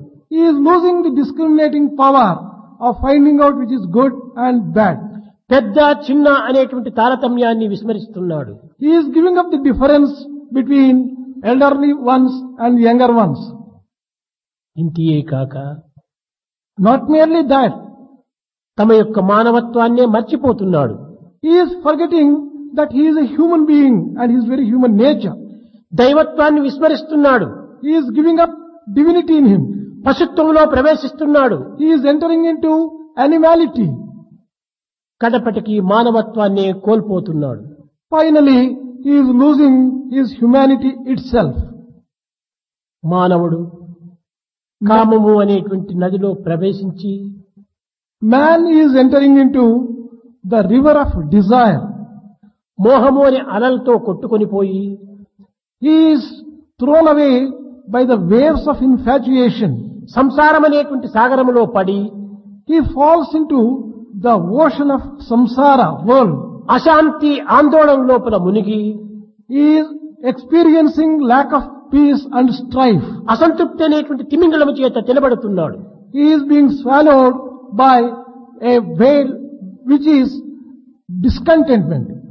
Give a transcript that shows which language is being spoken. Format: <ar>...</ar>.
<en>He is losing the discriminating power of finding out which is good and bad.</en> <te>పెద్ద చిన్న అనేటువంటి తారతమ్యాన్ని విస్మరిస్తున్నాడు.</te> <en>He is giving up the difference between elderly ones and younger ones.</en> <te>ఇంతియే కాక,</te> <en>not merely that,</en> <te>తమ యొక్క మానవత్వాన్నే మర్చిపోతున్నాడు.</te> <en>He is forgetting that he is a human being and his very human nature.</en> <te>దైవత్వాన్ని విస్మరిస్తున్నాడు.</te> <en>He is giving up divinity in him.</en> <te>పశుత్వంలో ప్రవేశిస్తున్నాడు.</te> <en>He is entering into animality.</en> <te>కడపటికి మానవత్వాన్ని కోల్పోతున్నాడు.</te> <en>Finally he is losing his humanity itself.</en> <te>మానవుడు కామము అనేటువంటి నదిలో ప్రవేశించి,</te> <en>man is entering into the river of desire,</en> <te>మోహము అనే అలలతో కొట్టుకుని పోయి,</te> <en>he is thrown away by the waves of infatuation,</en> <te>సంసారం అనేటువంటి సాగరములో పడి,</te> <en>he falls into the ocean of samsara world,</en> <te>ashanti andolan lopala munigi,</te> <en>is experiencing lack of peace and strife,</en> <te>asantrupti anetundi timingalam cheta telabadutunnadu.</te> <en>He is being swallowed by a veil which is discontentment.</en>